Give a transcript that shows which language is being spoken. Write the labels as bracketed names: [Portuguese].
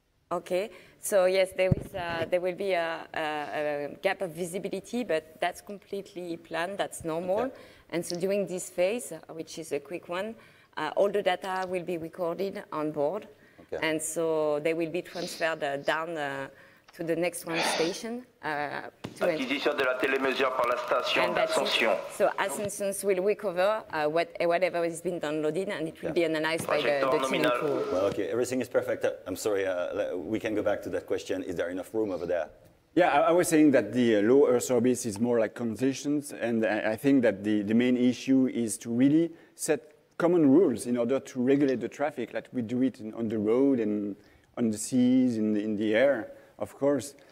[English] Okay, so yes, there will be a gap of visibility, but that's completely planned, that's normal. Okay. And so during this phase, which is a quick one, all the data will be recorded on board, okay. And so they will be transferred down to the next one station. [French] Acquisition de la télémesure par la station d'Ascension. [English] So Ascension will recover whatever has been downloaded, and it will be analyzed by the team. Well, okay, everything is perfect. I'm sorry, we can go back to that question. Is there enough room over there? Yeah, I was saying that the low Earth orbit is more like conditions, and I think that the main issue is to really set common rules in order to regulate the traffic, like we do it on the road and on the seas, in the air, of course.